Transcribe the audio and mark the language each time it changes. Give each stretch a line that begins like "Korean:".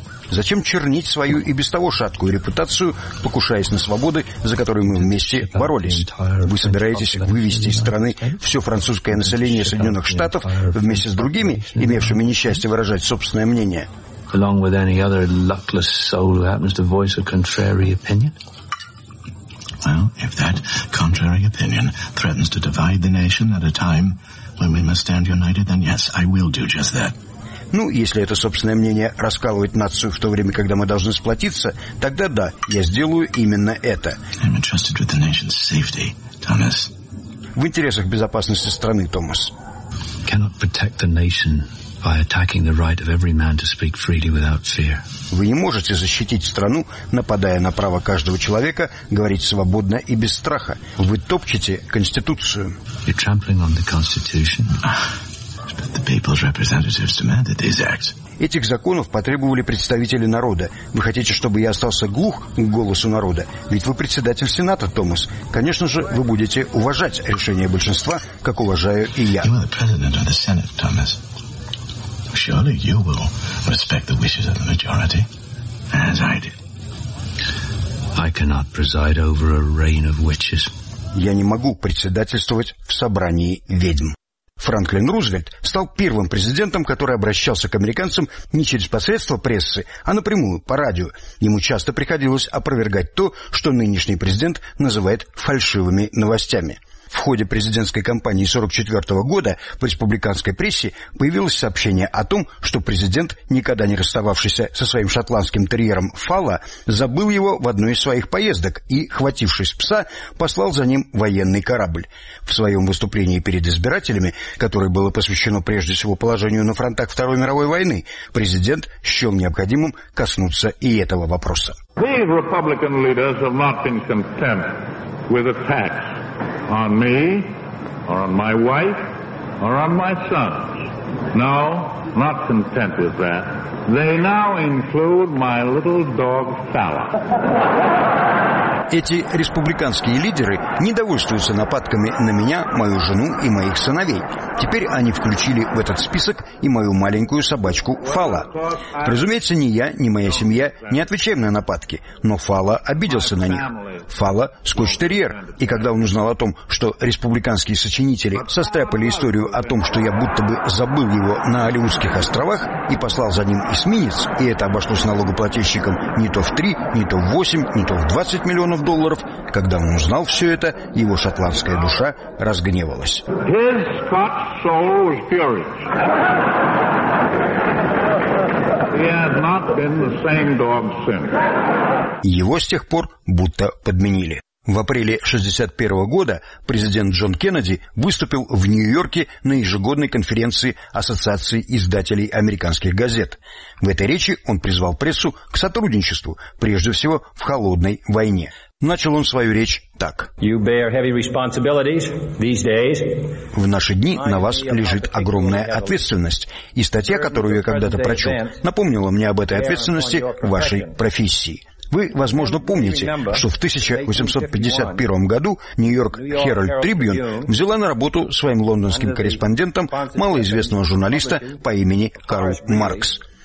Russian: Зачем чернить свою и без того шаткую репутацию, покушаясь на свободы, за которые мы вместе боролись? Вы собираетесь вывести из страны все французское население Соединенных Штатов вместе с другими, имевшими несчастье выражать собственное мнение?
English: Along with any other luckless soul who happens to voice a contrary opinion? Well, if that contrary opinion threatens to divide the nation at a time when we must stand united, then yes, I will do just that.
Russian: Ну, если это собственное мнение раскалывает нацию в то время, когда мы должны сплотиться, тогда да, я сделаю именно это.
English: I'm entrusted with the nation's safety, Thomas.
Russian: В интересах безопасности страны, Томас.
English: Cannot protect the nation by attacking the right of every man to speak freely without fear.
Russian: Вы не можете защитить страну, нападая на право каждого человека говорить свободно и без страха. Вы топчете конституцию.
English: You're trampling on the constitution. But the people's representatives demanded these acts.
Russian: Этих законов потребовали представители народа. Вы хотите, чтобы я остался глух к голосу народа? Ведь вы председатель Сената, Томас. Конечно же, вы будете уважать решение большинства, как уважаю и я.
English: You are the president of the Senate, Thomas. Surely you will respect the wishes of the majority, as I did. I cannot preside over a reign of witches.
Russian: Я не могу председательствовать в собрании ведьм. Франклин Рузвельт стал первым президентом, который обращался к американцам не через посредство прессы, а напрямую, по радио. Ему часто приходилось опровергать то, что нынешний президент называет фальшивыми новостями. В ходе президентской кампании 1944 года в республиканской прессе появилось сообщение о том, что президент, никогда не расстававшийся со своим шотландским терьером Фала, забыл его в одной из своих поездок и, хватившись пса, послал за ним военный корабль. В своем выступлении перед избирателями, которое было посвящено прежде всего положению на фронтах Второй мировой войны, президент счел необходимым коснуться и этого вопроса.
English: The Republican leaders have not been content with attacks on me, or on my wife, or on my sons. No, not content with that. They now include my little dog, Fala.
Russian: Эти республиканские лидеры не довольствуются нападками на меня, мою жену и моих сыновей. Теперь они включили в этот список и мою маленькую собачку Фала. Разумеется, ни я, ни моя семья не отвечаем на нападки, но Фала обиделся на них. Фала – скотч-терьер, и когда он узнал о том, что республиканские сочинители состряпали историю о том, что я будто бы забыл его на Алеутских островах и послал за ним эсминец, и это обошлось налогоплательщикам не то в 3, не то в 8, не то в 20 миллионов, долларов. Когда он узнал все это, его шотландская душа разгневалась.
English: His Scotch soul was furious. He has not been the same dog since.
Russian: Его с тех пор будто подменили. В апреле 1961 года президент Джон Кеннеди выступил в Нью-Йорке на ежегодной конференции Ассоциации издателей американских газет. В этой речи он призвал прессу к сотрудничеству, прежде всего в холодной войне. Начал он свою речь так.
English: You bear heavy responsibilities these days.
Russian: В наши дни на вас лежит огромная ответственность, и статья, которую я когда-то прочел, напомнила мне об этой ответственности вашей профессии. Вы, возможно, помните, что в 1851 году Нью-Йорк Herald Tribune взяла на работу своим лондонским корреспондентом малоизвестного журналиста по имени Карл Маркс.